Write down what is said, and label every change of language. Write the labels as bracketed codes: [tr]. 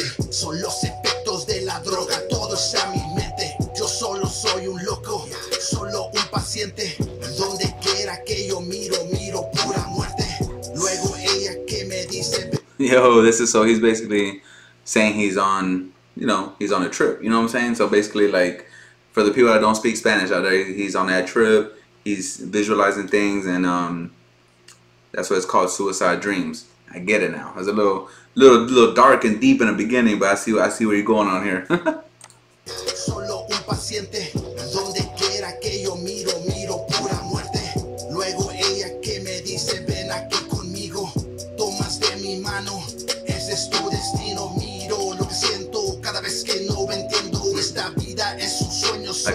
[es] Son los efectos de la droga, todo está en mi mente. Yo solo soy un loco, solo un paciente. Donde quiera que yo miro, miro pura muerte. Luego ella que me dice. [en] Yo, this is, so he's basically saying he's on, you know, he's on a trip, you know what I'm saying? So basically, like, for the people that don't speak Spanish out there, he's on that trip, he's visualizing things, and that's what it's called, suicide dreams. I get it now. It's a little dark and deep in the beginning, but I see where you're going on here. [es] Solo un paciente, donde quiera que yo miro pura muerte. Luego ella que me dice, ven aquí conmigo, tomas de mi mano, ese es tu destino, miro lo que siento cada vez que no entiendo esta vida es un sueño.